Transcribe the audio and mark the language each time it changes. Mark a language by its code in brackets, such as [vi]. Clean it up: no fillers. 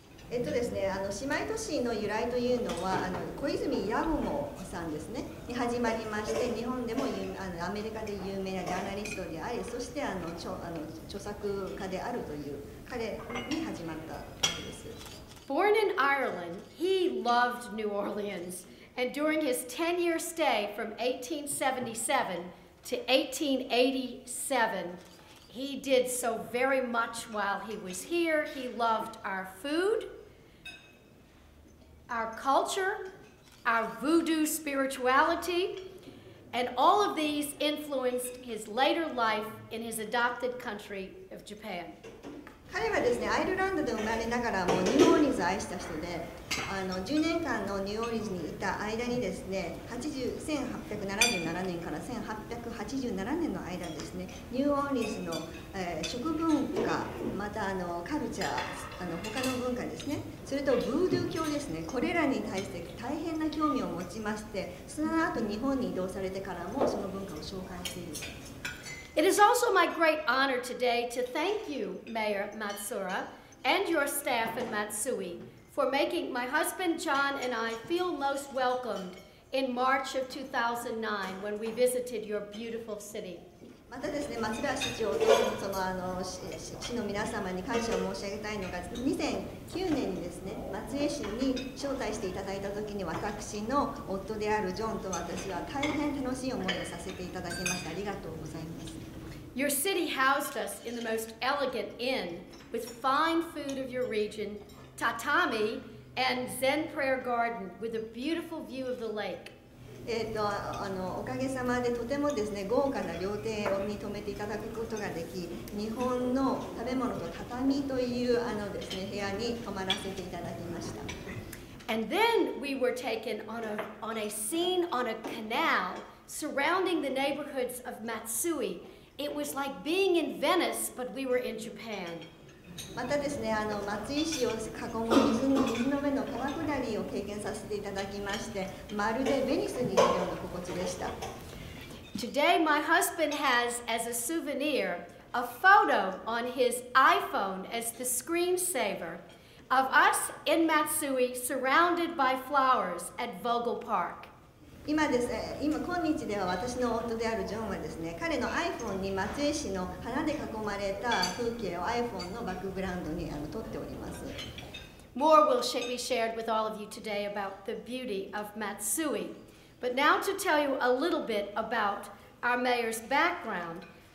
[en] Born in Ireland, he loved New Orleans, and during his 10-year stay from 1877 to 1887, he did so very much while he was here. He loved our food, our culture, our voodoo spirituality, and all of these influenced his later life in his adopted country of Japan. [ja] 彼はですね、アイルランドで生まれながらもニューオーリンズを愛した人で、10年間のニューオーリンズにいた間にですね、1877年から1887年の間ですね、ニューオーリンズの、食文化、またカルチャー、他の文化ですね、それとブードゥー教ですね、これらに対して大変な興味を持ちまして、その後日本に移動されてからもその文化を紹介している。 [en] It is also my great honor today to thank you, Mayor Matsura, and your staff in Matsui for making my husband John and I feel most welcomed in March of 2009 when we visited your beautiful city. [ja] またですね、松浦市長と市の皆様に感謝を申し上げたいのが、2009年にですね、松江市に招待していただいたときに、私の夫であるジョンと私は大変楽しい思いをさせていただきました。ありがとうございます。 [en] Your city housed us in the most elegant inn with fine food of your region, tatami, and Zen prayer garden with a beautiful view of the lake. [ja] おかげさまでとてもですね、豪華な料亭を認めていただくことができ、日本の食べ物と畳というですね、部屋に泊まらせていただきました。 [en] And then we were taken on a scene on a canal surrounding the neighborhoods of Matsui. It was like being in Venice, but we were in Japan. [ja] またですね、松井市を囲む水の上の川下りを経験させていただきまして、まるでベニスにいるような心地でした。 [en] Today, my husband has as a souvenir a photo on his iPhone as the screensaver of us in Matsui surrounded by flowers at Vogel Park. [ja] 今日では私の夫であるジョンはですね、彼の iPhone に松江市の花で囲まれた風景を iPhone のバックグラウンドに撮っております。 [en] More will be shared with all of you today about the beauty of Matsui. But now to tell you a little bit about our mayor's background.